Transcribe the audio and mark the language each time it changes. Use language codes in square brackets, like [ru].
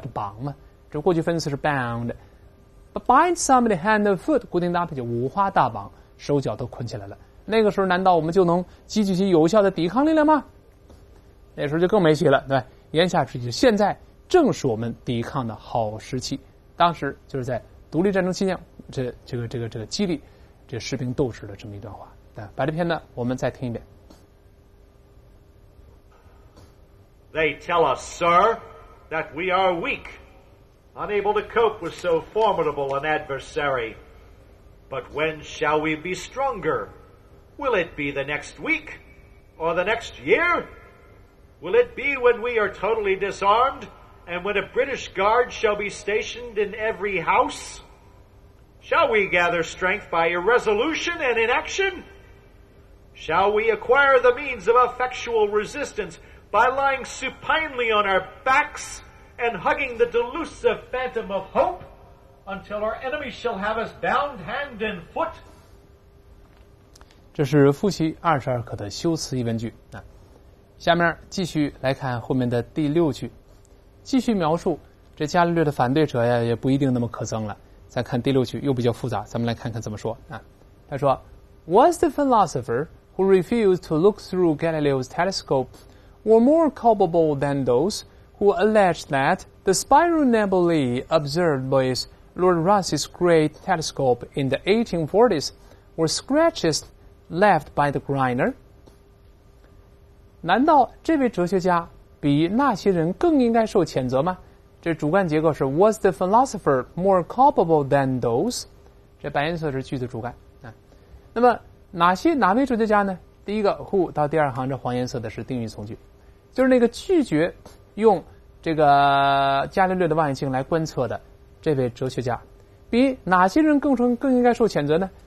[zh] 这绑嘛，这过去分词是 bound。 [en] But bind somebody hand and foot， [zh] 固定搭配就五花大绑，手脚都捆起来了。那个时候，难道我们就能积聚起有效的抵抗力量吗？那时候就更没戏了，对吧？言下之意，现在正是我们抵抗的好时期。当时就是在独立战争期间，这个激励这士兵斗志的这么一段话。把这篇呢，我们再听一遍。 [en] They tell us, sir, that we are weak, unable to cope with so formidable an adversary. But when shall we be stronger? Will it be the next week? Or the next year? Will it be when we are totally disarmed? And when a British guard shall be stationed in every house? Shall we gather strength by irresolution and inaction? Shall we acquire the means of effectual resistance by lying supinely on our backs and hugging the delusive phantom of hope until our enemy shall have us bound hand and foot? [zh] 这是复习二十二课的修辞疑问句。下面继续来看后面的第六句，继续描述这伽利略的反对者呀，也不一定那么可憎了。再看第六句又比较复杂，咱们来看看怎么说。他说 [en] Was the philosopher who refused to look through Galileo's telescope were more culpable than those who alleged that the spiral nebulae observed by Lord Rosse's great telescope in the 1840s were scratches left by the grinder? [zh] 难道这位哲学家比那些人更应该受谴责吗？这主干结构是 [en] Was the philosopher more culpable than those? [zh] 这白颜色是句子主干。那么哪位哲学家呢？第一个 who 到第二行，这黄颜色的是定语从句，就是那个拒绝用这个伽利略的望远镜来观测的这位哲学家，比哪些人更应该受谴责呢？